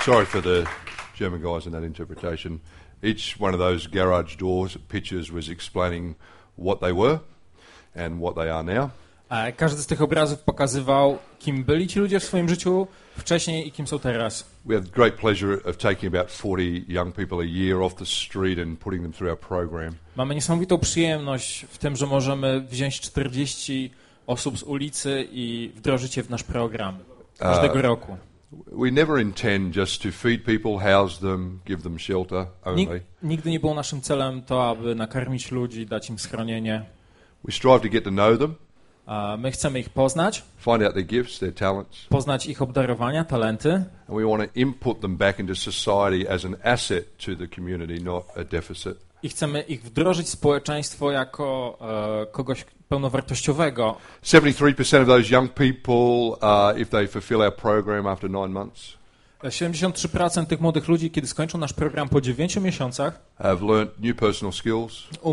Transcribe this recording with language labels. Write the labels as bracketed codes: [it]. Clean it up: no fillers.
[en] For the German guys in that interpretation, each one of those garage doors pictures was explaining what they were and what they are now. [pl] Każdy z tych obrazów pokazywał, kim byli ci ludzie w swoim życiu wcześniej i kim są teraz. [en] We have great pleasure of taking about 40 young people a year off the street and putting them through our program. [pl] Mamy niesamowitą przyjemność w tym, że możemy wziąć 40 osób z ulicy i wdrożyć je w nasz program każdego roku. [en] We never intend just to feed people, house them, give them shelter only. [pl] Nigdy nie było naszym celem to, aby nakarmić ludzi, dać im schronienie. [en] We strive to get to know them. [pl] My chcemy ich poznać. [en] Find out their gifts, their talents. [pl] Poznać ich obdarowania, talenty. [en] And we want to input them back into society as an asset to the community, not a deficit. [pl] I chcemy ich wdrożyć w społeczeństwo jako kogoś pełnowartościowego. [en] 73% of those young people, if they fulfill our program after 9 months. [pl] 73% tych młodych ludzi, kiedy skończą nasz program po 9 miesiącach, [en] have learned new personal skills.